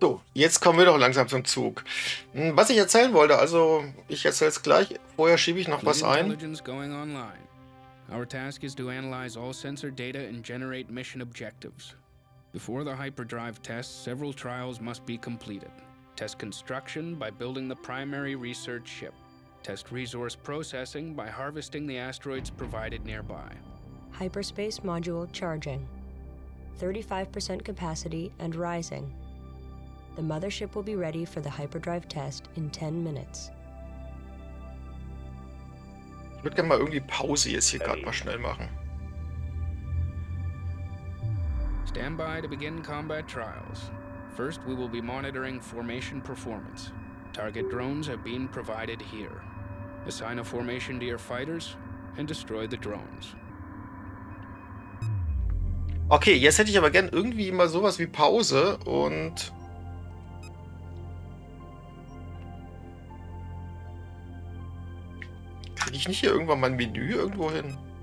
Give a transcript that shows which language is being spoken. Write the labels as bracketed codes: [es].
[de] So, jetzt kommen wir doch langsam zum Zug. Was ich erzählen wollte, also ich erzähle es gleich. Vorher schiebe ich noch was ein. [en] Intelligence going online. Our task is to analyze all sensor data and generate mission objectives. Before the hyperdrive test, several trials must be completed. Test construction by building the primary research ship. Test resource processing by harvesting the asteroids provided nearby. Hyperspace module charging. 35% capacity and rising. The mothership will be ready for the hyperdrive test in 10 minutes. [de] Ich würde gerne mal irgendwie Pause jetzt hier gerade mal schnell machen. [en] Stand by to begin combat trials. First, we will be monitoring formation performance. Target drones have been provided here. Assign a formation to your fighters and destroy the drones. [de] Okay, jetzt hätte ich aber gern irgendwie mal sowas wie Pause und... Kriege ich nicht hier irgendwann mein Menü irgendwo hin?